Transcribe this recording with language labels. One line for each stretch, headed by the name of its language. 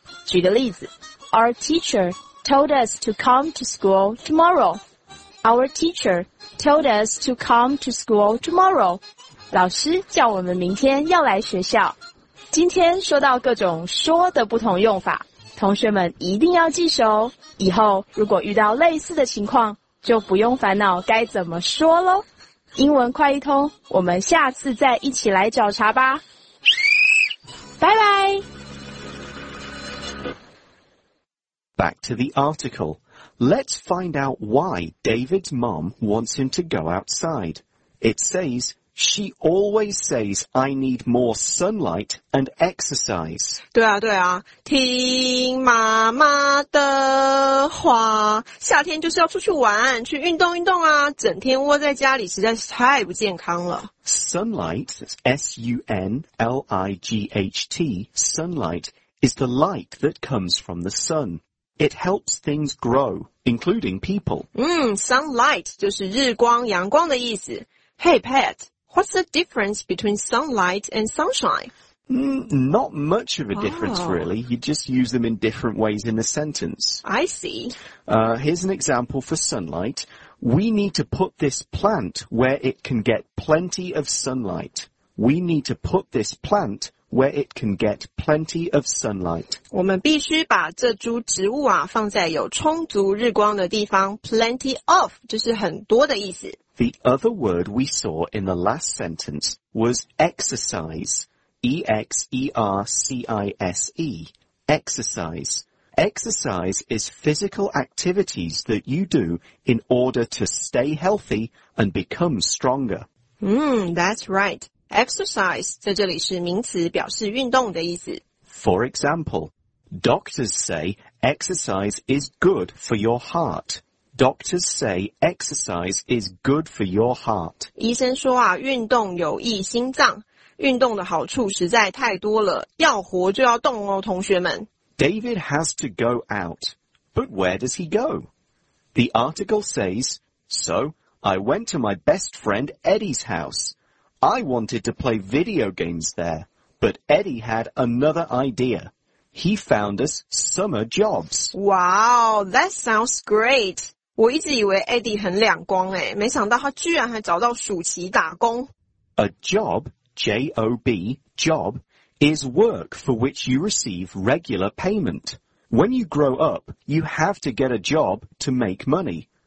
Chinese: 举个例子，
English: Our teacher told us to come to school tomorrow. Our teacher told us to come to school tomorrow.
Chinese: 老师叫我们明天要来学校。今天说到各种说的不同用法，同学们一定要记熟，以后如果遇到类似的情况就不用烦恼该怎么说咯。英文快一通，我们下次再一起来找茬吧，拜拜。
English: Back to the article. Let's find out why David's mom wants him to go outside. It says, she always says I need more sunlight and exercise.
Chinese: 对啊对啊，听妈妈的话，夏天就是要出去玩，去运动运动啊，整天窝在家里实在是太不健康了。
English: Sunlight, S-U-N-L-I-G-H-T, sunlight is the light that comes from the sun. It helps things grow, including people.
Chinese: Sunlight 就是日光阳光的意思。
English: Hey, Pat, what's the difference between sunlight and sunshine? Not much of a difference, really. You just use them in different ways in the sentence. I see. Here's an example for sunlight. We need to put this plant where it can get plenty of sunlight. We need to put this plant where it can get plenty of sunlight.
Chinese: 我们必须把这株植物啊放在有充足日光的地方。 Plenty of 就是很多的意思。
English: The other word we saw in the last sentence was exercise. E-X-E-R-C-I-S-E. Exercise. Exercise is physical activities that you do in order to stay healthy and become stronger. That's right.
Chinese: Exercise 在这里是名词，表示运动的意思。
English: For example, doctors say exercise is good for your heart. Doctors say exercise is good for your heart.
Chinese: 医生说啊，运动有益心脏，运动的好处实在太多了，要活就要动哦，同学们。
English: David has to go out, but where does he go? The article says, So, I went to my best friend Eddie's house. I wanted to play video games there, but Eddie had another idea. He found us summer jobs. Wow, that sounds great.
Chinese: 我一直以为 Eddie 很两光诶，没想到他居然还找到暑期打工。
English: A job, J-O-B, job, is work for which you receive regular payment. When you grow up, you have to get a job to make money.